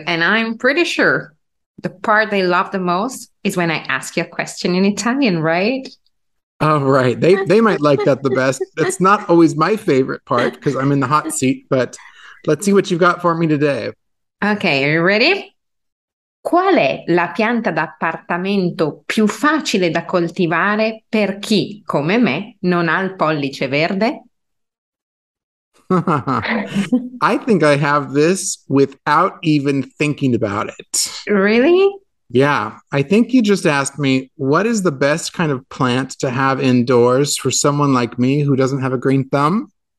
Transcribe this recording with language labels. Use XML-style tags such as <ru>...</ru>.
<en>And I'm pretty sure the part they love the most is when I ask you a question in Italian, right? Oh, right. They might like that the best. That's not always my favorite part because I'm in the hot seat, but let's see what you've got for me today. Okay, are you ready?</en> <it>Qual è la pianta d'appartamento più facile da coltivare per chi, come me, non ha il pollice verde?</it> <en>I think I have this without even thinking about it. Really? Yeah. I think you just asked me, what is the best kind of plant to have indoors for someone like me who doesn't have a green thumb?</en>